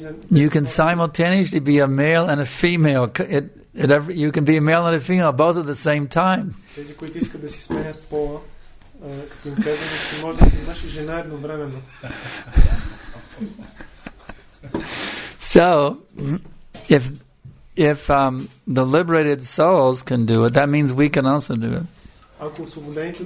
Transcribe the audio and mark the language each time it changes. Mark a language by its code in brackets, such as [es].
[en] You can simultaneously be a male and a female. You can be a male and a female both at the same time. [bg] Тези, които искат да си сменят пола, като им казвам, че може да си мъж и жена едновременно. [en] So, if the liberated souls can do it, that means we can also do it.